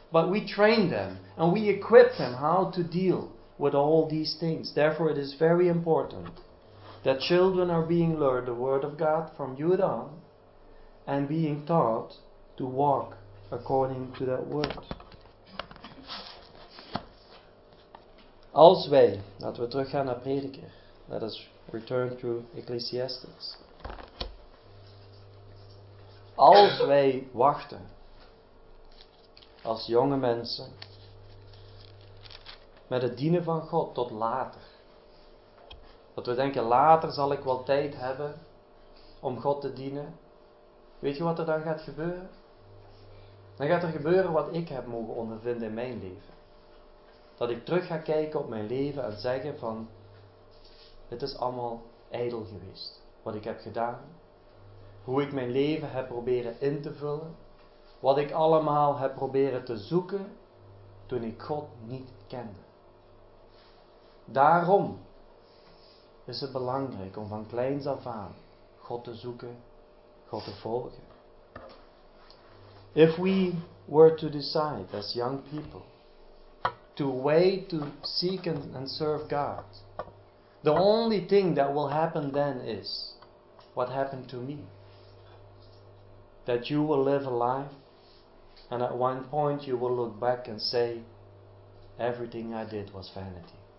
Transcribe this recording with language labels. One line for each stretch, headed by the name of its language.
English: But we train them and we equip them how to deal with all these things. Therefore, it is very important that children are being learned the word of God from youth on and being taught to walk according to that word.
Dutch: Als wij, laten we teruggaan naar Prediker.
English: Let us return to Ecclesiastes.
Dutch: Als wij wachten, als jonge mensen, met het dienen van God tot later. Dat we denken, later zal ik wel tijd hebben om God te dienen. Weet je wat er dan gaat gebeuren? Dan gaat er gebeuren wat ik heb mogen ondervinden in mijn leven. Dat ik terug ga kijken op mijn leven en zeggen van, het is allemaal ijdel geweest. Wat ik heb gedaan. Hoe ik mijn leven heb proberen in te vullen. Wat ik allemaal heb proberen te zoeken. Toen ik God niet kende. Daarom is het belangrijk om van kleins af aan God te zoeken. God te volgen.
English: If we were to decide as young people. To wait to seek and serve God. The only thing that will happen then is what happened to me. That you will live a life and at one point you will look back and say, everything I did was vanity.